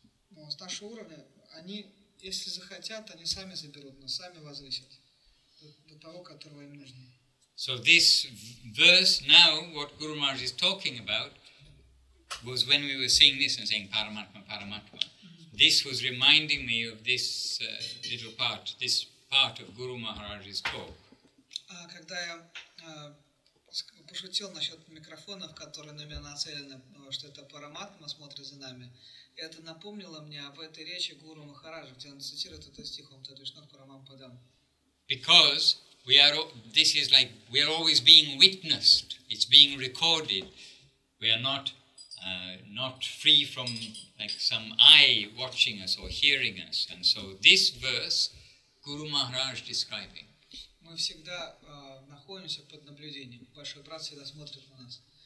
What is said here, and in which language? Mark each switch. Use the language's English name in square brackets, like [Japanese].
[Russian] Но с нашего уровня, они, если захотят, они сами заберут нас, сами возвысят до того, которого им нужно. [English] So this verse now, what Guru Maharaj is talking about, was when we were seeing this and saying Paramatma, Paramatma. Mm-hmm. This was reminding me of this little part, this part of Guru Maharaj's talk. [Russian] Когда я пошутил насчет микрофонов, которые на меня нацелены, что это Параматма смотрит за нами, это напомнило мне об этой речи Гуру Махараджа, где он цитирует этот стих, он говорит, что Парамам Падам. [English] Because we are, this is like, we are always being witnessed, it's being recorded, we are not not free from like some eye watching us or hearing us, and so this verse Guru Maharaj describing. [Russian] Мы всегда находимся под наблюдением. Ваши братья всегда смотрят на нас.